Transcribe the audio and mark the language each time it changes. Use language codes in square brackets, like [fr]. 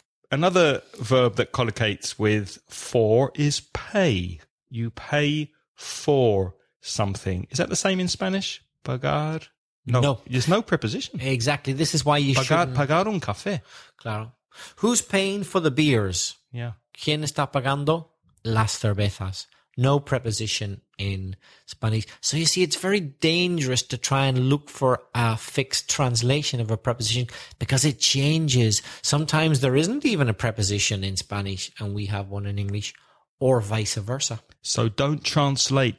[en] Another verb that collocates with for is pay. You pay for something. Is that the same in Spanish? [es] Pagar? [en] No. There's no preposition. Exactly. This is why you should [es] pagar un café. Claro. [en] Who's paying for the beers? Yeah. [es] ¿Quién está pagando las cervezas? [en] No preposition in Spanish. So you see, it's very dangerous to try and look for a fixed translation of a preposition because it changes. Sometimes there isn't even a preposition in Spanish and we have one in English. Or vice versa. So don't translate.